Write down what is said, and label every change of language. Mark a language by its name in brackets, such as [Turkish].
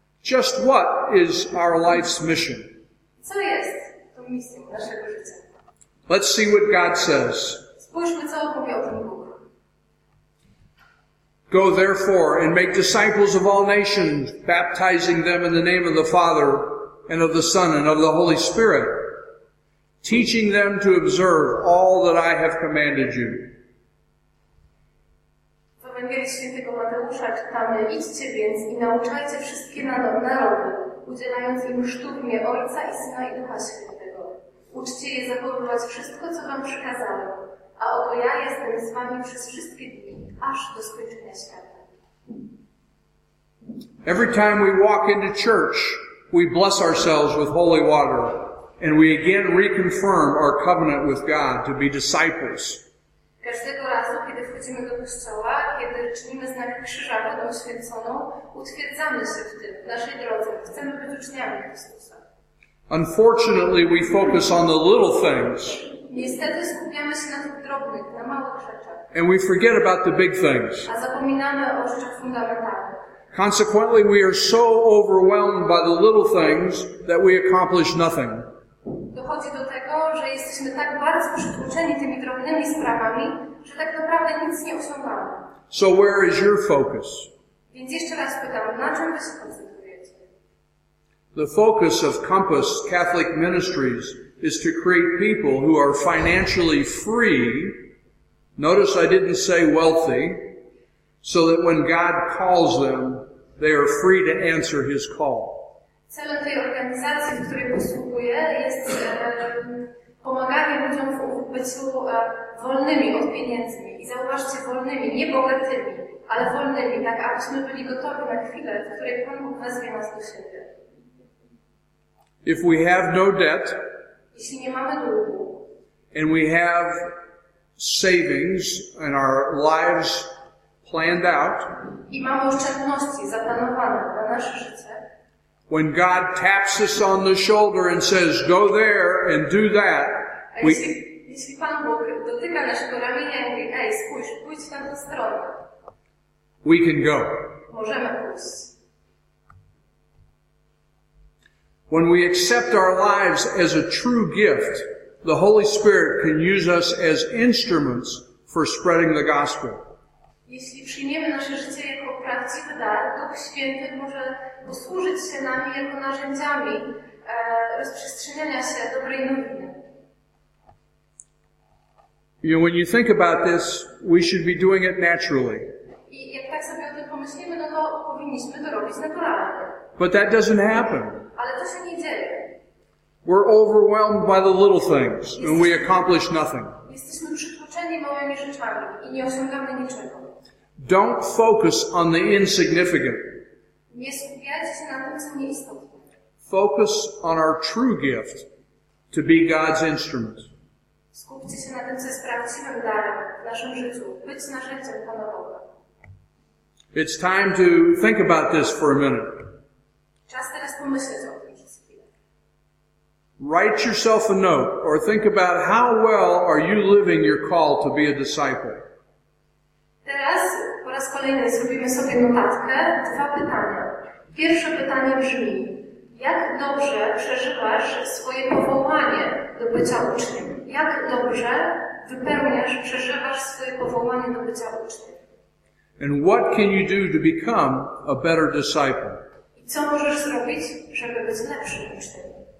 [English] Just what is our life's mission? [Polish] Co jest tą misją naszego życia? [English] Let's see what God says. [Polish] Spójrzmy, co powie o tym Bóg. [English] Go therefore and make disciples of all nations, baptizing them in the name of the Father and of the Son and of the Holy Spirit. Teaching them to observe all that I have commanded you. [Polish] W Ewangelii Świętego Mateusza czytamy, idźcie więc i nauczajcie wszystkie narody, udzielając im chrztu w imię Ojca i Syna i Ducha Świętego. Uczcie je zachowywać wszystko, co wam przekazałem, a oto ja jestem z wami przez wszystkie dni, aż do skończenia świata. [English] Every time we walk into church, we bless ourselves with holy water. And we again reconfirm our covenant with God to be disciples. [Polish] Każdego razu, kiedy wchodzimy do kościoła, kiedy czynimy znak krzyża wodą święconą, utwierdzamy się w tym, w naszej drodze. Chcemy być uczniami Chrystusa. [English] Unfortunately, we focus on the little things. [Polish] Niestety skupiamy się na tych drobnych, na małych rzeczach. [English] And we forget about the big things. [Polish] A zapominamy o rzeczach fundamentalnych. [English] Consequently, we are so overwhelmed by the little things that we accomplish nothing. [Polish] Dochodzi do tego, że jesteśmy tak bardzo przytłoczeni tymi drobnymi sprawami, że tak naprawdę nic nie osiągamy. [English] So where is your focus? [Polish] Więc jeszcze raz pytam, na czym wy się koncentrujecie? [English] The focus of Compass Catholic Ministries is to create people who are financially free. Notice I didn't say wealthy. So that when God calls them, they are free to answer His call. [Polish] Celem tej organizacji, w której posługuję, jest pomaganie ludziom w byciu wolnymi od pieniędzy. I zauważcie, wolnymi, nie bogatymi, ale wolnymi, tak abyśmy byli gotowi na chwilę, w której Pan Bóg wezwie nas do siebie. [English] If we have no debt, [Polish] jeśli nie mamy długu, [English] and we have savings and our lives planned out, [Polish] i mamy oszczędności zaplanowane na nasze życie, [English] when God taps us on the shoulder and says, go there and do that, [Polish] jeśli Pan Bóg dotyka naszego ramienia i mówi, ej, spójrz, pójdź w tamtą stronę, [English] we can go. [Polish] Możemy pójść. [English] When we accept our lives as a true gift, the Holy Spirit can use us as instruments for spreading the gospel. [Polish] Jeśli przyjmiemy nasze życie jako prawdziwy dar, Duch Święty może posłużyć się nami jako narzędziami rozprzestrzeniania się dobrej nowiny. [English] You know, when you think about this, we should be doing it naturally. [Polish] I jak tak sobie o tym pomyślimy, no to powinniśmy to robić naturalnie. [English] But that doesn't happen. [Polish] Ale to się nie dzieje. [English] We're overwhelmed by the little things and we accomplish nothing. [Polish] Jesteśmy przytłoczeni małymi rzeczami i nie osiągamy niczego. [English] Don't focus on the insignificant. [Polish] Nie skupiajcie się na tym, co nie istotne. [English] Focus on our true gift to be God's instrument. [Polish] Skupcie się na tym, co jest prawdziwym darem w naszym życiu. Być narzędziem Pana Boga. [English] It's time to think about this for a minute. [Polish] Czas teraz pomyśleć o tym. [English] Write yourself a note or think about how well are you living your call to be a disciple. [Polish] Teraz po raz kolejny zrobimy sobie notatkę. Dwa pytania. Pierwsze pytanie brzmi: jak dobrze przeżywasz swoje powołanie do bycia uczniem? Jak dobrze wypełniasz, przeżywasz swoje powołanie do bycia uczniem? [English] And what can you do to become a better disciple? [Polish] I co możesz zrobić, żeby być lepszym uczniem?